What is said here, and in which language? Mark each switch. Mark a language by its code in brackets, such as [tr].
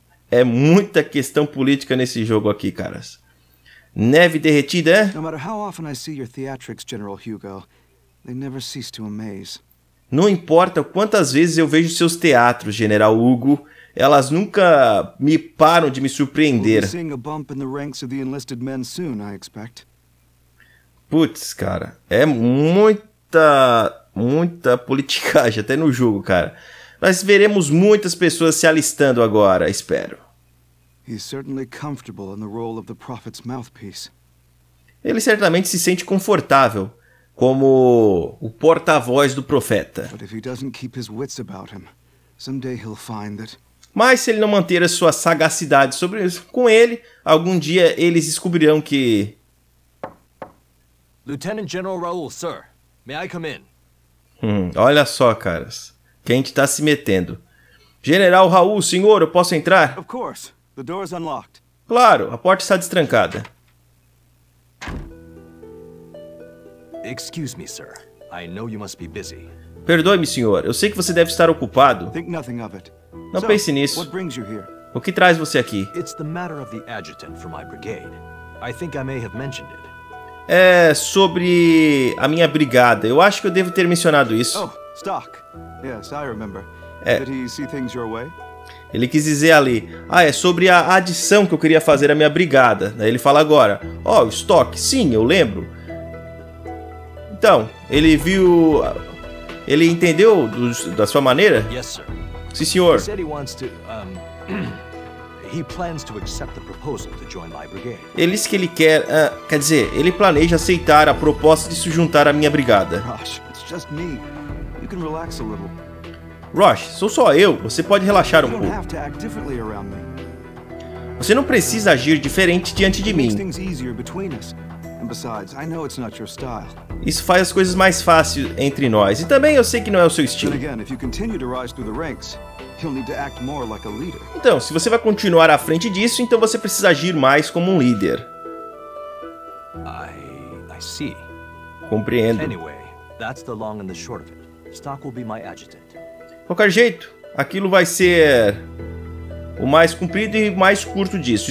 [pt] É muita questão política nesse jogo aqui, caras. Neve derretida, é? [en] No matter how often I see your theatrics, General Hugo, they never cease to amaze. [pt] Não importa quantas vezes eu vejo seus teatros, General Hugo, elas nunca me param de me surpreender. [en] We'll be seeing a bump in the ranks of the enlisted men soon, I expect. [pt] Putz, cara, é muita politicagem até no jogo, cara. Nós veremos muitas pessoas se alistando agora, espero. [en] He's certainly comfortable in the role of the prophet's mouthpiece. [pt] Ele certamente se sente confortável como o porta-voz do profeta. [en] But if he doesn't keep his wits about him, someday he'll find that... [pt] Mas se ele não manter a sua sagacidade sobre isso, com ele, algum dia eles descobrirão que... [en] Lieutenant General Raul, sir, may I come in? [pt] Olha só, caras. Quem está se metendo? General Raul, senhor, eu posso entrar? [en] Of course. The door is unlocked. [pt] Claro, a porta está destrancada. [en] Excuse me, sir. I know you must be busy. [pt] Perdoe-me, senhor. Eu sei que você deve estar ocupado. [en] Think nothing of it. [pt] Não pense nisso. [en] What brings you here? [pt] O que traz você aqui? [en] It's the matter of the adjutant for my brigade. I think I may have mentioned it. [pt] É sobre a minha brigada. Eu acho que eu devo ter mencionado isso. [en] Oh, Stock. Yes, I remember. [pt] É. [en] Did he see things your way? [pt] Ele quis dizer ali, ah, é sobre a adição que eu queria fazer à minha brigada. Daí ele fala agora, oh, Stock, sim, eu lembro. Então, ele viu, ele entendeu da sua maneira? [en] Yes, sir. [pt] Sim, senhor. [en] He said he wants to, He plans to accept the proposal to join my brigade. [pt] Ele disse que ele quer, quer dizer, ele planeja aceitar a proposta de se juntar à minha brigada. [en] Rush, it's just me. You can relax a little. [pt] Rush, sou só eu. Você pode relaxar um pouco. [en] You don't have to act differently around me. [pt] Você não precisa agir diferente diante de mim. [en] Things easier between us. And besides, I know it's not your style. [pt] Isso faz as coisas mais fáceis entre nós. E também eu sei que não é o seu estilo. [en] But again, if you continue to rise through the ranks. You'll need to act more like a leader. [pt] Então, se você vai continuar à frente disso, então você precisa agir mais como um líder. [en] I see. [pt] Compreendo. [en] Anyway, that's the long and the short of it. Stock will be my adjutant. [pt] Qualquer jeito, aquilo vai ser o mais comprido e mais curto disso.